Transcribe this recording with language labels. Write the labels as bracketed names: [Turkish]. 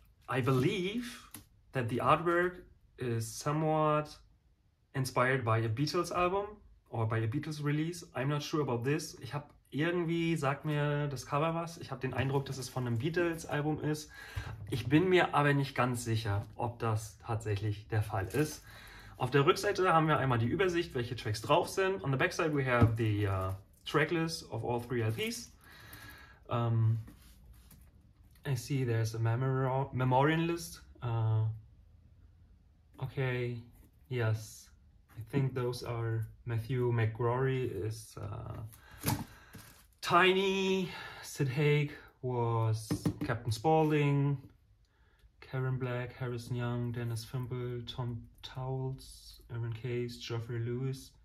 [English] I believe that the artwork is somewhat inspired by a Beatles album. Or by a Beatles release. I'm not sure about this. [German] Ich habe irgendwie, sagt mir das Cover was, ich habe den Eindruck, dass es von einem Beatles Album ist. Ich bin mir aber nicht ganz sicher, ob das tatsächlich der Fall ist. Auf der Rückseite haben wir einmal die Übersicht, welche Tracks drauf sind. [English] On the backside we have the tracklist of all three LPs. I see there's a memorial list. Okay, yes. I think those are Matthew McGrory is Tiny, Sid Haig was Captain Spaulding, Karen Black, Harrison Young, Dennis Fimble, Tom Towles, Aaron Case, Geoffrey Lewis.